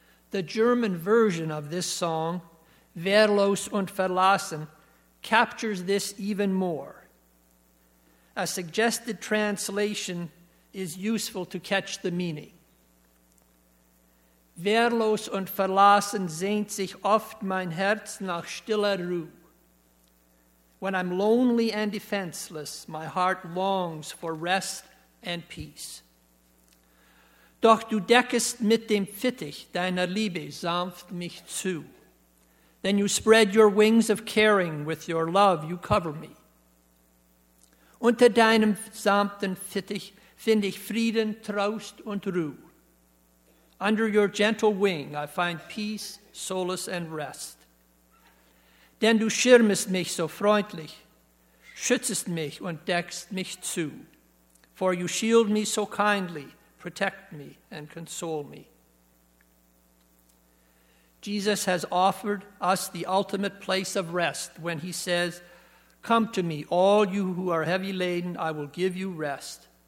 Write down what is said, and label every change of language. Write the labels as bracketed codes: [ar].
[en] The German version of this song, "Wehrlos und verlassen," captures this even more. A suggested translation is useful to catch the meaning. [de] "Wehrlos und verlassen sehnt sich oft mein Herz nach stiller Ruhe." [en] When I'm lonely and defenseless, my heart longs for rest and peace. [de] Doch du deckest mit dem Fittich deiner Liebe sanft mich zu. [en] Then you spread your wings of caring, with your love you cover me. [de] Unter deinem sanften Fittich find ich Frieden, Trost und Ruhe. [en] Under your gentle wing I find peace, solace and rest. [de] Denn du schirmest mich so freundlich, schützest mich und deckst mich zu. [en] For you shield me so kindly, protect me and console me. Jesus has offered us the ultimate place of rest when he says, "Come to me, all you who are heavy laden, I will give you rest."